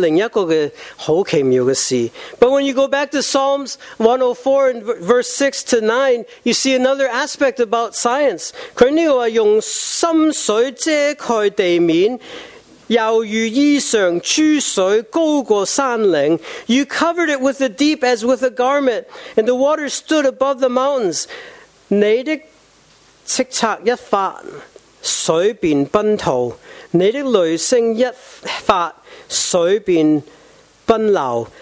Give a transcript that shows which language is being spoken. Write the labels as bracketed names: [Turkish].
[Chinese] 但是去回诗篇104,第6节到第9节又讲关于科学的另一个好奇妙的事。 [English] But when you go back to Psalms 104 and verse 6 to 9, you see another aspect about science. [Chinese] 它这个说用深水遮盖地面, 犹如衣裳,诸水高过山岭, [English] you covered it with the deep as with a garment, and the water stood above the mountains. [Chinese] 你的叱咤一发,水便奔逃,你的雷声一发,水便奔流.